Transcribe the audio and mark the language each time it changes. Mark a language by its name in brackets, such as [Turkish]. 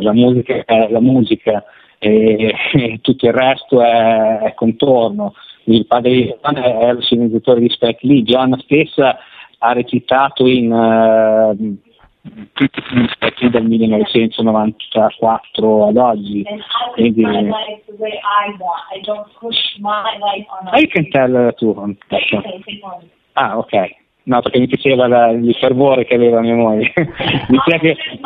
[Italian] La musica è la musica. E tutto il resto è contorno. Il padre di Gian è lo sceneggiatore di Spike Lee. Gian stessa ha recitato in tutti i film di Spike Lee dal 1994 ad oggi. Quindi, [English] my life the way I want. I don't push my life on. You can tell the truth. Okay. Ah, ok. [Italian] No, perché mi piaceva il fervore che aveva mia moglie. Mi piace.